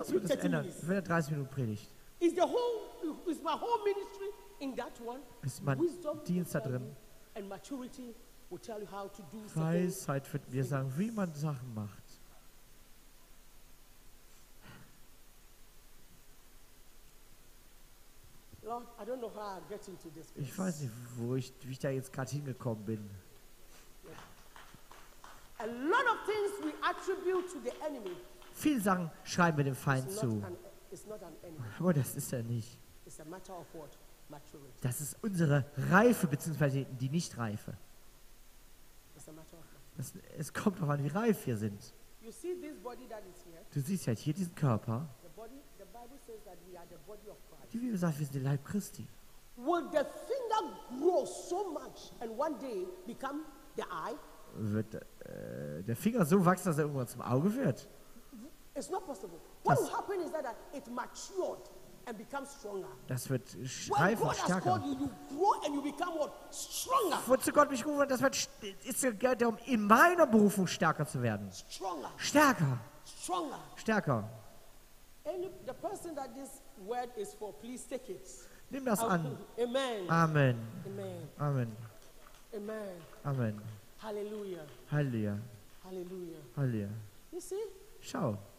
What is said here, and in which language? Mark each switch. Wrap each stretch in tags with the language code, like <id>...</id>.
<de>was wird das ändern, wenn er 30 Minuten predigt?</de> <en>Is the whole, is my whole ministry in that one?</en> <de>Ist mein</de> <en>wisdom</en> <de>Dienst da drin?</de> <en>And maturity will tell you how to do</en> <de>Weisheit wird mir sagen, wie man Sachen macht.</de> <en>Lord, I don't know how I get into this place.</en> <de>Ich weiß nicht, wie ich da jetzt gerade hingekommen bin.</de> <en>A lot of things we attribute to the enemy.</en> <de>Viele Sachen schreiben wir dem Feind zu. Aber das ist er nicht.</de> <en>It's a matter of what? Maturity.</en> <de>Das ist unsere Reife bzw. die Nichtreife.</de> <en>It's a matter of what?</en> <de>Es kommt darauf an, wie reif wir sind.</de> <en>You see this body that is here?</en> <de>Du siehst halt hier diesen Körper.</de> <en>The Bible says that we are the body of Christ.</en> <de>Die Bibel sagt, wir sind der Leib Christi.</de> <en>Will the finger grow so much and one day become the eye?</en> <de>Wird der Finger so wachsen, dass er irgendwann zum Auge wird?</de> <en>It's not possible. What will happen is that it matured and becomes stronger.</en> <de>Das wird reifer, stärker.</de> <en>When God has called you, you grow and you become what? Stronger.</en> <de>Wozu Gott mich gerufen hat, das wird ist um in meiner Berufung stärker zu werden.</de> <en>Stronger.</en> <de>Stärker.</de> <en>Stronger.</en> <de>Stärker.</de> <en>Any the person that this word is for, please take it.</en> <de>Nimm das an.</de> <en>Amen. Amen. Amen. Amen. Amen. Amen. Hallelujah. Hallelujah. Hallelujah. Hallelujah. You see?</en> <de>Schau.</de>